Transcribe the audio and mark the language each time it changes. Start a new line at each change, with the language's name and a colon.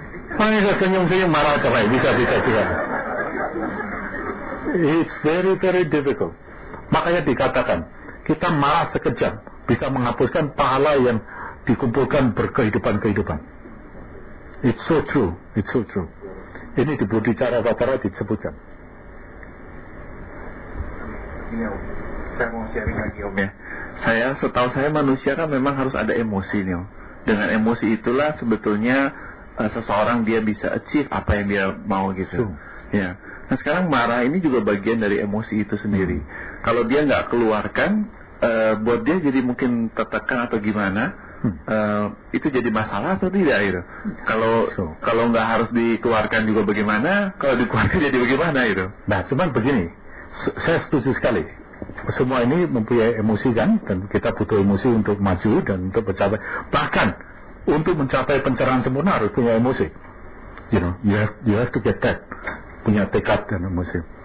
Indonesian: Mereka senyum-senyum marah kembali, bisa-bisa juga.
English: It's very very difficult.
Indonesian: Makanya dikatakan kita marah sekejap bisa menghapuskan pahala yang dikumpulkan berkehidupan-kehidupan.
English: It's so true, it's so true.
Indonesian: Ini di Bodhicara Watara disebutkan. Saya mau sharing lagi Om ya. Saya setahu saya manusia kan memang harus ada emosi nih Om. Dengan emosi itulah sebetulnya seseorang dia bisa achieve apa yang dia mau gitu. Ya. Nah sekarang marah ini juga bagian dari emosi itu sendiri. Kalau dia nggak keluarkan, buat dia jadi mungkin tertekan atau gimana? Itu jadi masalah atau tidak itu? Kalau kalau nggak harus dikeluarkan juga bagaimana? Kalau dikeluarkan jadi bagaimana itu? Nah cuman begini. Saya setuju sekali. Semua ini mempunyai emosi kan, dan kita butuh emosi untuk maju dan untuk mencapai. Bahkan untuk mencapai pencerahan sempurna harus punya emosi.
English: You know, you have to get that,
Indonesian: punya tekad dan emosi.